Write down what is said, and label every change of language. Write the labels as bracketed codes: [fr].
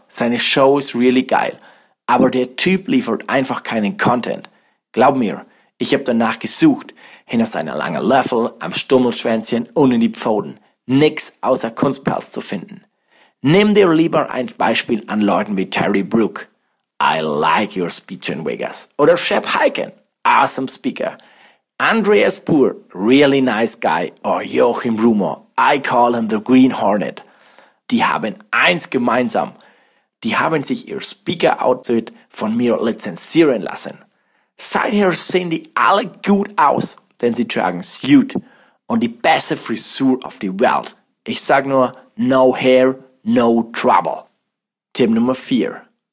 [de] Seine Show ist really geil. Aber der Typ liefert einfach keinen Content. Glaub mir, ich habe danach gesucht. Hinter seiner langen Löffel, am Stummelschwänzchen und in die Pfoten. Nix außer Kunstpelz zu finden. Nimm dir lieber ein Beispiel an Leuten wie Terry Brook. [en] I like your speech in Vegas. Oder Shep Hyken. Awesome speaker. Andreas Pur, really nice guy. Or Joachim Rumor. I call him the Green Hornet. [de] Die haben eins gemeinsam. Die haben sich ihr Speaker-Outfit von mir lizenzieren lassen. Seither sehen die alle gut aus, denn sie tragen Suit und die beste Frisur auf die Welt. Ich sag nur, [en] no hair, no trouble. [de] Tipp Nummer 4.